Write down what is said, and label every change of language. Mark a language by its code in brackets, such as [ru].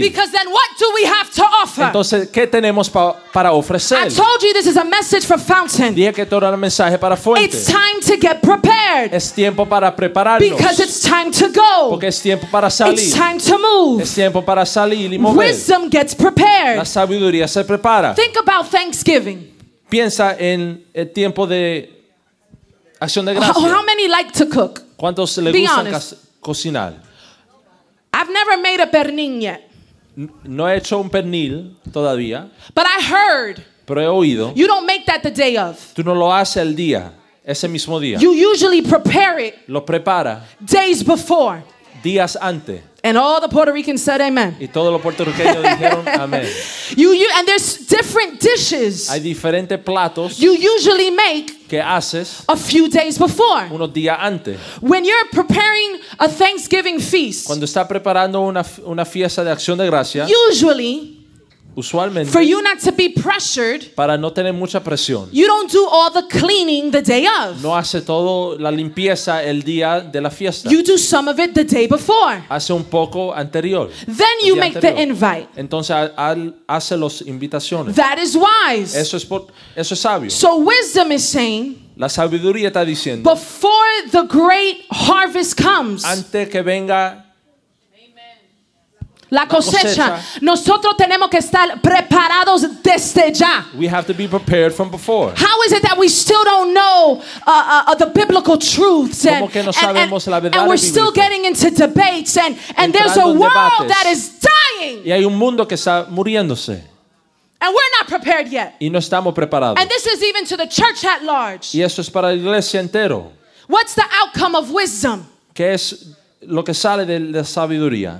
[en] Because then what do we have to offer? [es] Entonces, ¿qué tenemos para ofrecer? [en] I told you this is a message for Fountain. [es] Dije que todo era un mensaje para Fuente. [en] It's time to get prepared. [es] Es tiempo para prepararnos. [en] Because it's time to go. [es] Porque es tiempo para salir. [en] It's time to move. [es] Es tiempo para salir y mover. [en] Wisdom gets prepared. [es] La sabiduría se prepara. [en] Think about Thanksgiving. [es] Piensa en el tiempo de Acción de Gracias. [en] How many like to cook? [es] ¿Cuántos le [en] Be [es] gusta [en] honest. [es] Cocinar? [en] I've never made a pernil yet. [es] No he hecho un pernil todavía. [en] But I heard. [es] Pero he oído. [en] You don't make that the day of. [es] Tú no lo haces el día, ese mismo día. [en] You usually prepare it. [es] Lo prepara. [en] Days before. [es] Días antes. [en] And all the Puerto Ricans said amen. [es] Y todos los puertorriqueños dijeron amén. [en] You and there's different dishes. [es] Hay diferentes platos. [en] You usually make [es] que haces [en] a few days before. [es] Unos días antes. [en] When you're preparing a Thanksgiving feast. [es] Cuando está preparando una fiesta de Acción de Gracias. [en] Usually [es] usualmente, [en] for you not to be pressured, [es] para no tener mucha presión, [en] you don't do all the cleaning the day of. [es] No hace todo la limpieza el día de la fiesta. [en] You do some of it the day before. [es] Hace un poco anterior. [en] Then you make [es] anterior. [en] The invite. [es] Entonces hace las invitaciones. [en] That is wise. [es] Eso es sabio. [en] So wisdom is saying. [es] La sabiduría está diciendo. [en] Before the great harvest comes. [es] Antes que venga. La cosecha. Nosotros tenemos que estar preparados desde ya. [en] We have to be prepared from before. How is it that we still don't know the biblical truths and we're still getting into debates and there's a world that is dying. [es] Y hay un mundo que está muriéndose. [en] And we're not prepared yet. [es] Y no estamos preparados. [en] And this is even to the church at large. [es] Y eso es para la iglesia entero. [en] What's the outcome of wisdom? [es] ¿Qué es lo que sale de la sabiduría?